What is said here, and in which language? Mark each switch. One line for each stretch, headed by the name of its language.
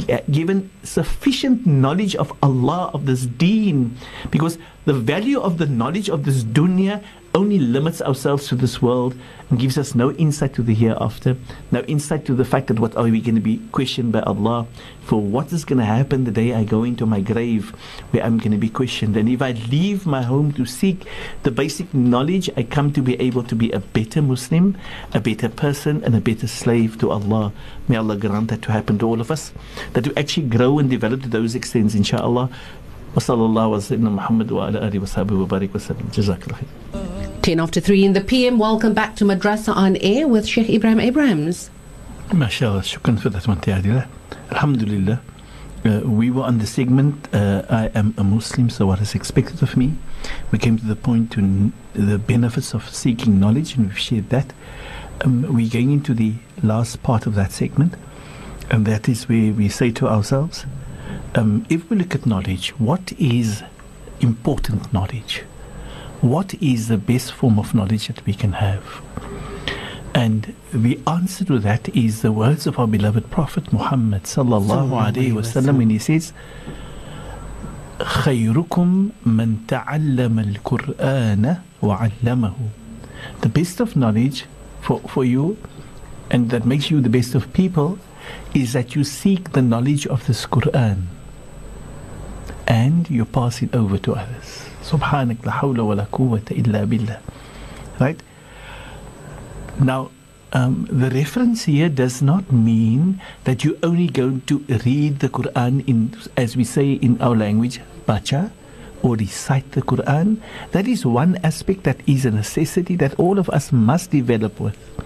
English: given sufficient knowledge of Allah, of this deen, because the value of the knowledge of this dunya only limits ourselves to this world and gives us no insight to the hereafter, no insight to the fact that what are we going to be questioned by Allah for, what is going to happen the day I go into my grave where I'm going to be questioned. And if I leave my home to seek the basic knowledge, I come to be able to be a better Muslim, a better person, and a better slave to Allah. May Allah grant that to happen to all of us, that we actually grow and develop to those extents, inshallah.
Arabic: وصلى الله وسلم محمد وعلى آله وصحبه وبارك وسلم جزاك الله خير.
English: 10 after 3 in the PM. Welcome back to Madrasa on Air with Sheikh Ibrahim Abrahams.
Arabic: ما شاء الله شكرا في ذات منتي عادلة. الحمد لله.
English: We were on the segment, I am a Muslim, so what is expected of me? We came to the point to the benefits of seeking knowledge, and we've shared that. We're going into the last part of that segment, and that is where we say to ourselves, if we look at knowledge, what is important knowledge. What is the best form of knowledge that we can have? And the answer to that is the words of our beloved Prophet Muhammad sallallahu alayhi wasallam, and he says,
Arabic: خَيْرُكُمْ مَنْ تَعَلَّمَ الْقُرْآنَ وَعَلَّمَهُ.
English: The best of knowledge for you, and that makes you the best of people, is that you seek the knowledge of this Quran and you pass it over to others.
Arabic: سبحانك لا حول ولا قوة إلا بالله.
English: Right? Now, the reference here does not mean that you're only going to read the Quran in, as we say in our language, bacha, or recite the Quran. That is one aspect that is a necessity that all of us must develop with.